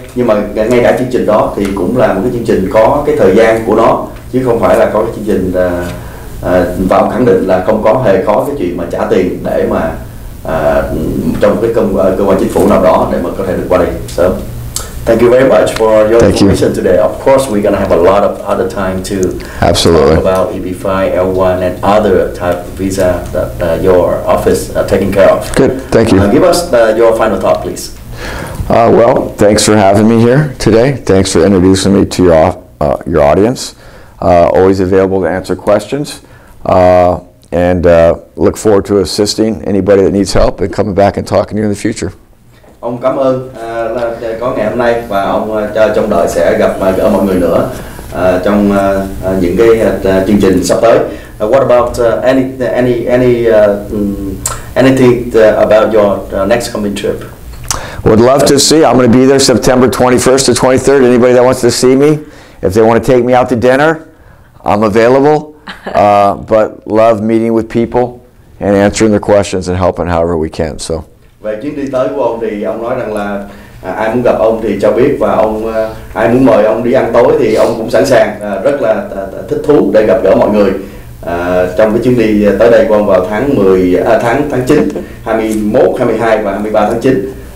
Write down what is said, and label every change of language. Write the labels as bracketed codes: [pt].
[vi] Nhưng mà ngay cả chương trình đó thì cũng là một cái chương trình có cái thời gian của nó, chứ không phải là có cái chương trình và ông khẳng định là không có hề có cái chuyện mà trả tiền để mà trong cái cơ quan chính phủ nào đó để mà có thể được qua đây sớm. [en] Thank you very much for your information today. Of course, we're going to have a lot of other time to absolutely talk about EB-5, L1, and other type of visa that your office are taking care of. Good, thank you. Give us your final thought, please. Well, thanks for having me here today. Thanks for introducing me to your audience. Always available to answer questions. And look forward to assisting anybody that needs help and coming back and talking to you in the future. [vi] Ông cảm ơn là có ngày hôm nay, và ông cho trong đời sẽ gặp gỡ mọi người nữa trong những cái chương trình sắp tới. [en] What about anything about your next coming trip? Would love to see. I'm going to be there September 21st to 23rd. Anybody that wants to see me, if they want to take me out to dinner, I'm available. But love meeting with people and answering their questions and helping however we can. So. [vi] Về chuyến đi tới của ông thì ông nói rằng là ai muốn gặp ông thì cho biết, và ông ai muốn mời ông đi ăn tối thì ông cũng sẵn sàng, rất là thích thú để gặp gỡ mọi người trong cái chuyến đi tới đây của ông vào tháng 9, 21, 22 và 23 tháng 9.